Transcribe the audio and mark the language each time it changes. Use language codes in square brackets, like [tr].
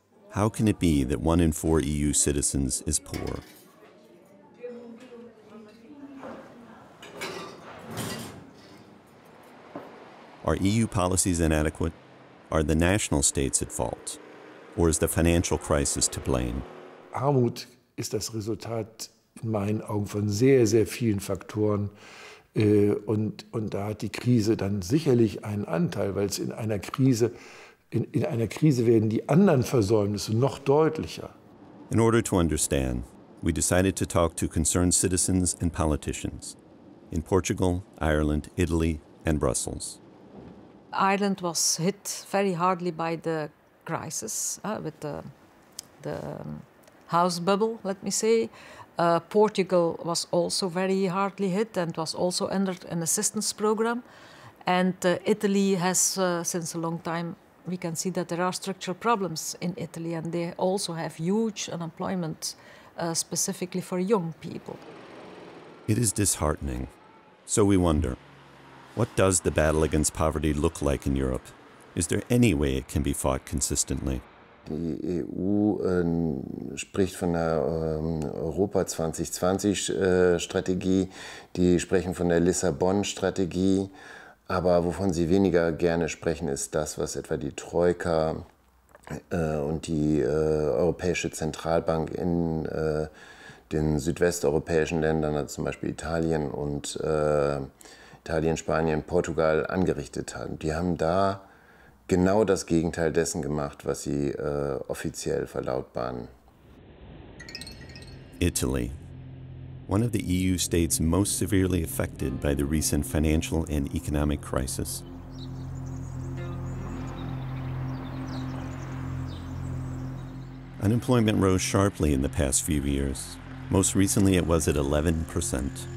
[en] How can it be that one in four EU citizens is poor? Are EU policies inadequate? Are the national states at fault? Or is the financial crisis to blame? [de] Armut ist das Resultat in meinen Augen von sehr, sehr vielen Faktoren. Und da hat die Krise dann sicherlich einen Anteil, weil es in einer Krise, in einer Krise werden die anderen Versäumnisse noch deutlicher. [en] In order to understand, we decided to talk to concerned citizens and politicians in Portugal, Ireland, Italy and Brussels. Ireland was hit very hardly by the crisis, with the house bubble, let me say. Portugal was also very hardly hit and was also under an assistance program. And Italy has, since a long time, we can see that there are structural problems in Italy, and they also have huge unemployment, specifically for young people. It is disheartening. So we wonder, what does the battle against poverty look like in Europe? Is there any way it can be fought consistently? [de] Die EU spricht von der Europa 2020-Strategie, die sprechen von der Lissabon-Strategie, aber wovon sie weniger gerne sprechen, ist das, was etwa die Troika und die Europäische Zentralbank in den südwesteuropäischen Ländern, also zum Beispiel Italien und Italien, Spanien, Portugal, angerichtet haben. Die haben da genau das Gegenteil dessen gemacht, was sie offiziell verlautbaren. [en] Italy, one of the EU states most severely affected by the recent financial and economic crisis. Unemployment rose sharply in the past few years. Most recently it was at 11%.